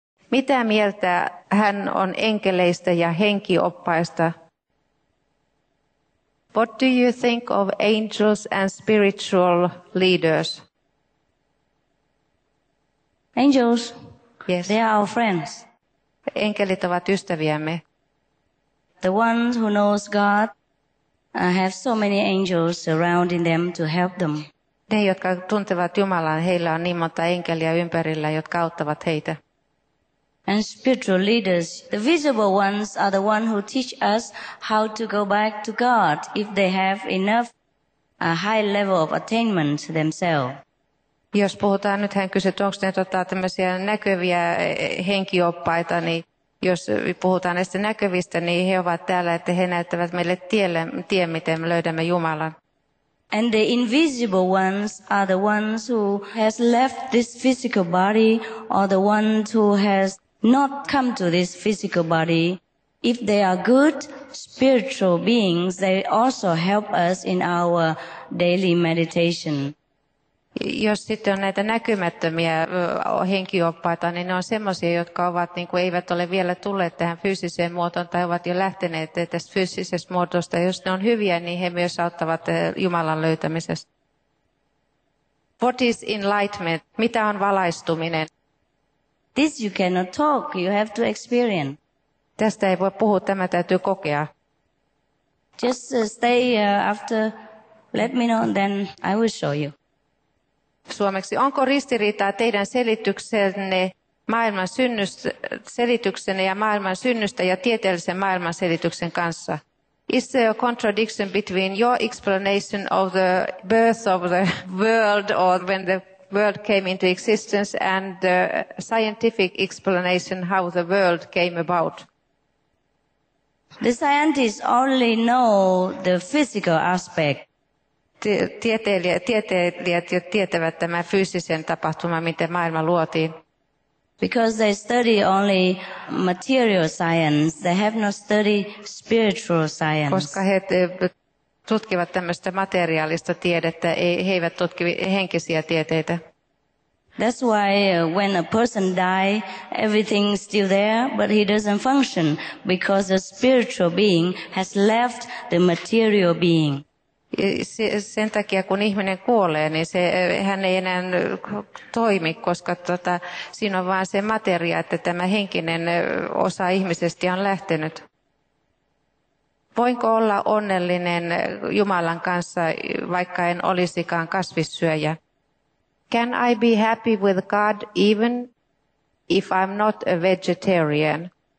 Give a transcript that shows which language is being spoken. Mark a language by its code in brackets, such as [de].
[fi] Mitä mieltä hän on enkeleistä ja henkioppaista? [en] What do you think of angels and spiritual leaders? Angels? Yes. They are our friends. [fi] Enkelit ovat ystäviämme. [en] The ones who knows God have so many angels surrounding them to help them. [fi] Ne, jotka tuntevat Jumalan, heillä on niin monta enkeliä ympärillä, jotka auttavat heitä. [en] And spiritual leaders, the visible ones are the ones who teach us how to go back to God if they have enough a high level of attainment themselves. [fi] Jos puhutaan nyt hän kysyy, onko ne tämmöisiä näkyviä henkioppaita, niin jos puhutaan näistä näkyvistä, niin he ovat täällä, että he näyttävät meille tien, miten me löydämme Jumalan. [en] And the invisible ones are the ones who has left this physical body or the ones who has not come to this physical body. If they are good spiritual beings, they also help us in our daily meditation. [fi] Jos sitten on näitä näkymättömiä henkioppaita, niin ne on semmoisia, jotka ovat, niin kuin eivät ole vielä tulleet tähän fyysiseen muotoon tai ovat jo lähteneet tästä fyysisestä muodosta. Jos ne on hyviä, niin he myös auttavat Jumalan löytämisessä. [en] What is enlightenment? [fi] Mitä on valaistuminen? [en] This you cannot talk, you have to experience. [fi] Tästä ei voi puhua, tämä täytyy kokea. [en] Just stay after, let me know, then I will show you. [fi] Suomeksi, onko ristiriitaa teidän selityksenne, maailman synnystä, selityksenne ja maailman synnystä ja tieteellisen maailman selityksen kanssa? [en] Is there a contradiction between your explanation of the birth of the world or when the world came into existence and the scientific explanation how the world came about? The scientists only know the physical aspect. [fi] Tieteilijät jo tietävät tämän fyysisen tapahtuman, miten maailma luotiin. [en] Because they study only material science, they have not studied spiritual science. [fi] Koska he tutkivat tämmöistä materiaalista tiedettä, he eivät tutki henkisiä tieteitä. [en] That's why when a person die, everything is still there, but he doesn't function because the spiritual being has left the material being. [fi] Sen takia kun ihminen kuolee, niin hän ei enää toimi, koska siinä on vain se materia, että tämä henkinen osa ihmisestä on lähtenyt. Voinko olla onnellinen Jumalan kanssa, vaikka en olisikaan kasvissyöjä? [en] Can I be happy with God even if I'm not a vegetarian?